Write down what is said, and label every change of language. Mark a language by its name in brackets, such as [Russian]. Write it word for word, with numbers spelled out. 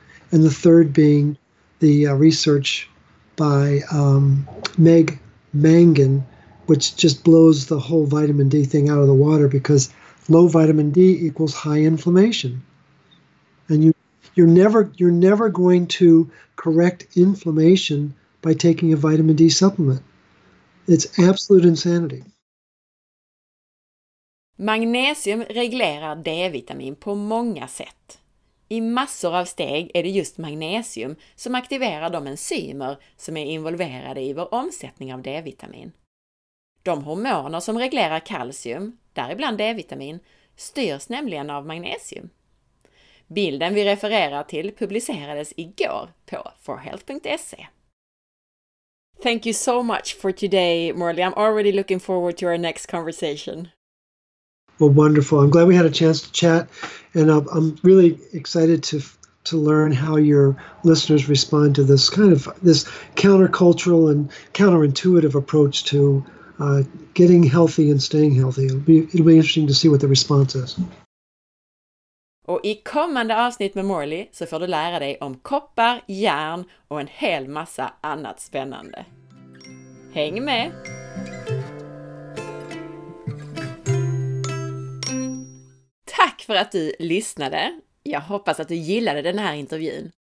[English] And the third being the uh, research by um, Meg Mangan, which just blows the whole vitamin D thing out of the water, because low vitamin D equals high inflammation. And you, you're never you're never going to correct inflammation by taking a vitamin D supplement. It's absolute insanity. [Swedish] Magnesium reglerar D-vitamin på många sätt. I massor av steg är det just magnesium som aktiverar de enzymer som är involverade i vår omsättning av D-vitamin. De hormoner som reglerar kalcium, däribland D-vitamin, styrs nämligen av magnesium. Bilden vi refererar till publicerades igår på for health dot s e. [English] Thank you so much for today, Morley. I'm already looking forward to our next conversation. Well, wonderful. I'm glad we had a chance to chat, and I'm really excited to to learn how your listeners respond to this kind of this countercultural and counterintuitive approach to Uh, getting healthy and staying healthy. It'll be, it'll be interesting to see what the response is. [Swedish] Och i kommande avsnitt med Morley så får du lära dig om koppar, järn och en hel massa annat spännande. Häng med! Tack för att du lyssnade. Jag hoppas att du gillade den här intervjun.